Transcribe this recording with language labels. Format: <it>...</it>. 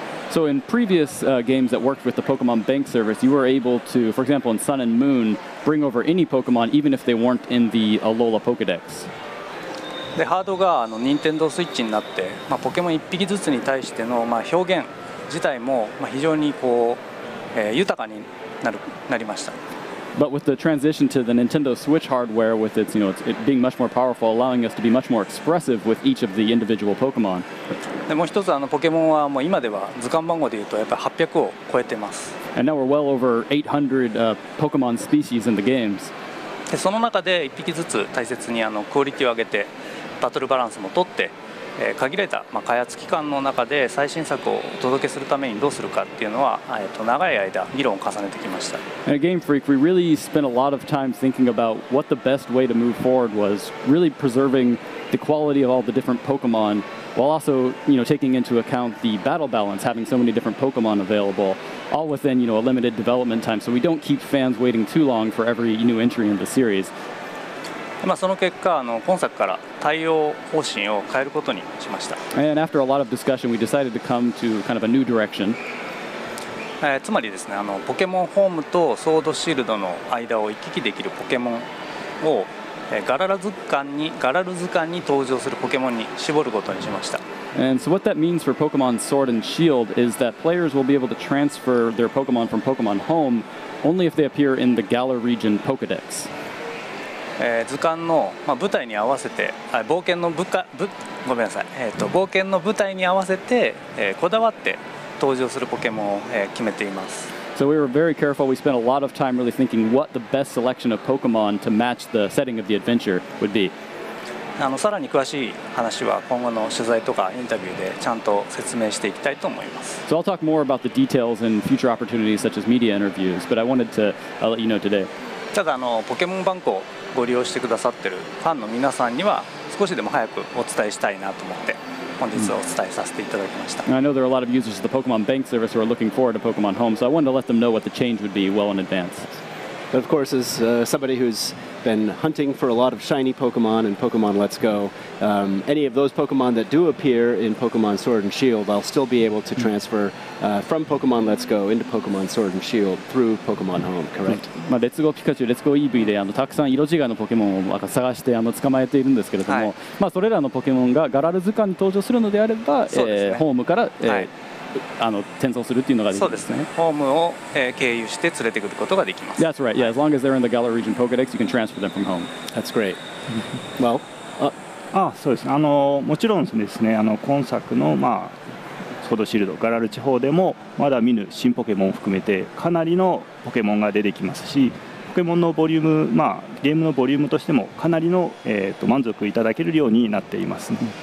<en>So in previous games that worked with the Pokemon Bank service, you were able to, for example, in Sun and Moon, bring over any Pokemon even if they weren't in the Alola Pokedex.</en> <ja>で、ハードが Nintendo Switch になって、まあ、ポケモン1匹ずつに対しての、まあ、表現自体も、まあ、非常にこう、豊かになりました。</ja> <en>But with the transition to the Nintendo Switch hardware, with its, you know, it being much more powerful, allowing us to be much more expressive with each of the individual Pokemon.</en> <ja>でもう一つ、ポケモンはもう今では図鑑番号で言うとやっぱり800を超えてます。</ja> <en>And now we're well over 800 Pokemon species in the games.</en> <ja>でその中で1匹ずつ大切にクオリティを上げて、バトルバランスも取って、限られた、まあ、開発期間の中で最新作をお届けするためにどうするかっていうのは、長い間議論を重ねてきました。</ja> <en>And at Game Freak, we really spent a lot of time thinking about what the best way to move forward was, really preserving the quality of all the different Pokemon, while also, you know, taking into account the battle balance, having so many different Pokemon available, all within, you know, a limited development time, so we don't keep fans waiting too long for every new entry in the series.</en> <ja>まあ、その結果今作から対応方針を変えることにしました。</ja> <en>And after a lot of discussion, we decided to come to kind of a new direction.</en> <ja>つまりですね、ポケモンホームとソードシールドの間を行き来できるポケモンを、ガラル図鑑に登場するポケモンに絞ることにしました。</ja> <en>And so what that means for Pokemon Sword and Shield is that players will be able to transfer their Pokemon from Pokemon Home only if they appear in the Galar region Pokedex.</en> <ja>図鑑の、まあ、舞台に合わせて、冒険の冒険の舞台に合わせて、こだわって登場するポケモンを、決めています。</ja> <en>So we were very careful. We spent a lot of time really thinking what the best selection of Pokemon to match the setting of the adventure would be.</en> <ja>さらに詳しい話は今後の取材とかインタビューでちゃんと説明していきたいと思います。</ja> <en>So I'll talk more about the details in future opportunities such as media interviews, but I wanted to let you know today.</en> <ja>ただポケモンバンクをご利用してくださってるファンの皆さんには少しでも早くお伝えしたいなと思って本日お伝えさせていただきました。</ja> <en>I know there are a lot of users of the Pokemon Bank service who are looking forward to Pokemon Home, so I wanted to let them know what the change would be well in advance. But of course, as somebody who's been hunting for a lot of shiny Pokemon in Pokemon Let's Go, any of those Pokemon that do appear in Pokemon Sword and Shield, I'll still be able to transfer from Pokemon Let's Go into Pokemon Sword and Shield through Pokemon Home, correct?</en> <ja>まあ、Let's Go Pikachu、Let's Go Eevee でたくさん色違いのポケモンを探して捕まえているんですけれども、はい、まあ、それらのポケモンがガラル図鑑に登場するのであれば、そうですね、ホームから、はい、転送するっていうのができるんですね。そうですね。ホームを経由して連れてくることができます。</ja> <en>That's right. Yeah, as long as they're in the Gala region Pokédex, you can transfer them from home. That's great. Well,</en> <ja>そうですね。もちろんですね。今作の、まあ、ソードシールド、ガラル地方でもまだ見ぬ新ポケモンを含めてかなりのポケモンが出てきますし、ポケモンのボリューム、まあ、ゲームのボリュームとしてもかなりの、満足いただけるようになっています、ね。</ja>